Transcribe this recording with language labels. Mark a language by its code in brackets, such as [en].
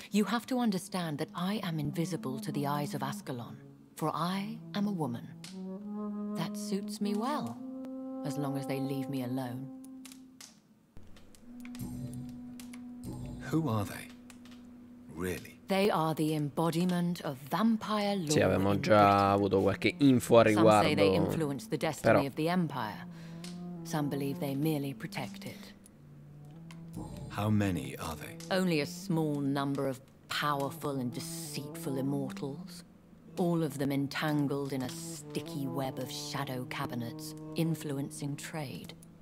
[en] You have to understand that I am invisible to the eyes of Ascalon, for I am a woman. That suits me well, as long as they leave me alone. Who are they? Really? They are the embodiment of vampire lore. [it] Sì, avevamo già avuto qualche info a riguardo. [en] Some say they influence the destiny of the Empire. Some believe they merely protect it. How many are they? Only a small number of powerful and deceitful immortals. All of them entangled in a sticky web of shadow cabinets, influencing trade.